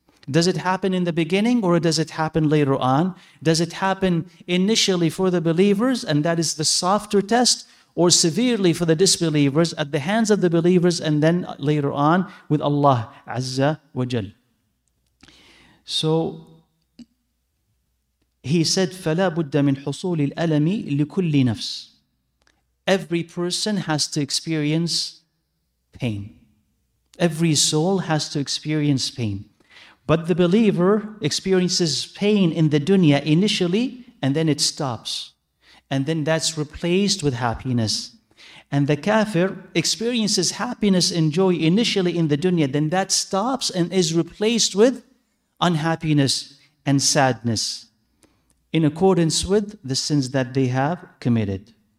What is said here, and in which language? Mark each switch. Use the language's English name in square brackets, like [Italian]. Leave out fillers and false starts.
[English] Does it happen in the beginning or does it happen later on? Does it happen initially for the believers and that is the softer test, or severely for the disbelievers at the hands of the believers and then later on with Allah Azza wa Jal? So he said, [Arabic] فَلَا بُدَّ مِنْ حُصُولِ الْأَلَمِ لِكُلِّ نَفْسِ. [English] Every person has to experience pain. Every soul has to experience pain. But the believer experiences pain in the dunya initially, and then it stops. And then that's replaced with happiness. And the kafir experiences happiness and joy initially in the dunya, then that stops and is replaced with unhappiness and sadness in accordance with the sins that they have committed.